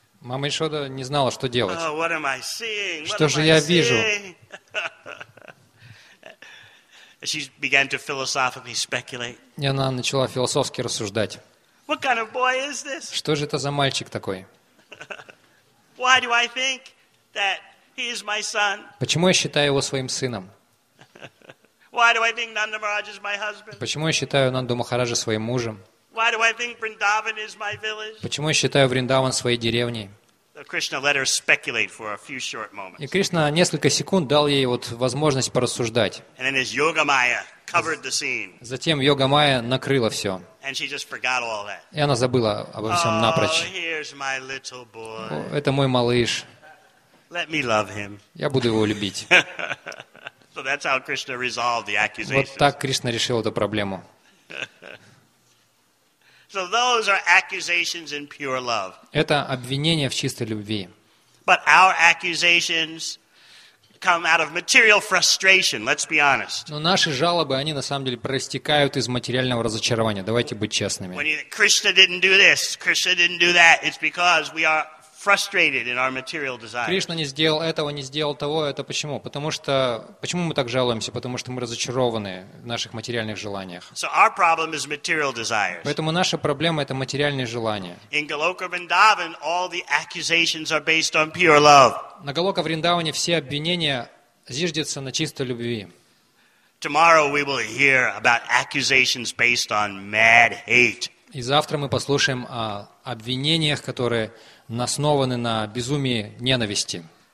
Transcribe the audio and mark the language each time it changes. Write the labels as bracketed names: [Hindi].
[Russian] Мама Яшода не знала, что делать. [English] Oh, what am I seeing? [Russian] Что [English] what [Russian] же [English] am [Russian] я вижу? [English] She began to philosophically speculate. [Russian] И она начала философски рассуждать. [English] What kind of boy is this? [Russian] Что же это за мальчик такой? [English] Why do I think that he is my son? [Russian] Почему я считаю его своим сыном? [English] Why do I think Nanda Maharaj is my husband? [Russian] Почему я считаю Нанду Махараджа своим мужем? [English] Why do I think Vrindavan is my village? [Russian] Почему я считаю Вриндаван своей деревней? [English] Krishna let her speculate for a few short moments. [Russian] И Кришна несколько секунд дал ей вот возможность порассуждать. [English] And then his yoga maya covered the scene. [Russian] Затем йога майя накрыла все. [English] And she just forgot all that. [Russian] И она забыла обо всем напрочь. [English] Oh, here's my little boy. [Russian] Это мой малыш. [English] Let me love him. [Russian] Я буду его любить. [English] So that's how Krishna resolved the accusation. [Russian] Вот так Кришна решил эту проблему. [English] So those are accusations in pure love. [Russian] Это обвинения в чистой любви. [English] But our accusations come out of material frustration. Let's be honest. [Russian] Но наши жалобы, они на самом деле проистекают из материального разочарования. Давайте быть честными. [English] When Krishna didn't do this, Krishna didn't do that, it's because we are frustrated in our material desires. [Russian] Кришна не сделал этого, не сделал того, это почему? Почему мы так жалуемся? Потому что мы разочарованы в наших материальных желаниях. [English] So our problem is material desires. [Russian] Поэтому наша проблема это материальные желания. [English] In Goloka Vrindavan all the accusations are based on pure love. [Russian] На Голока Вриндаване все обвинения зиждятся на чистой любви. [English] Tomorrow we will hear about accusations based on mad hate. [Russian] И завтра мы послушаем о обвинениях, которые основаны на безумии ненависти.